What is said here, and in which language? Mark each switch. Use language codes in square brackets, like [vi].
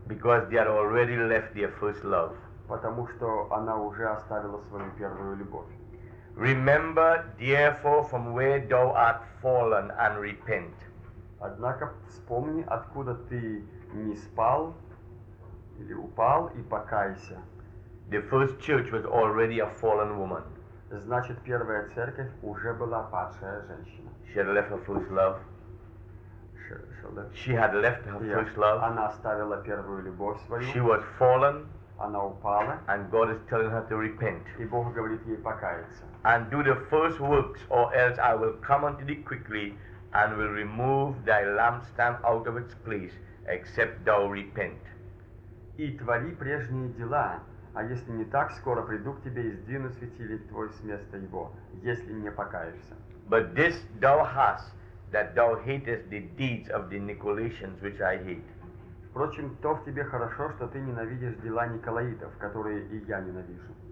[en] Because they had already left their first love. [ru] Потому что она уже оставила свою первую любовь. [en] Remember, therefore, from where thou art fallen, and repent. [ru] Однако вспомни, откуда ты не спал или упал, и покайся. [en] The first church was already a fallen woman. [ru] Значит, первая церковь уже была падшая женщина. [en] She had left her first love. She had left her first love. [ru] Она оставила первую любовь свою. [en] She was fallen. [ru] Она упала, [en] and God is telling her to repent. [ru] И Бог говорит ей покаяться. [en] And do the first works, or else I will come unto thee quickly, and will remove thy lampstand out of its place, except thou repent. [ru] И твори прежние дела, а если не так, скоро приду к тебе и сдвину светильник твой с места его, если не покаешься. [en] But this thou hast, that thou hatest the deeds of the Nicolaitans, which I hate. [ru] Впрочем, то в тебе хорошо, что ты ненавидишь дела Николаитов, которые и я ненавижу.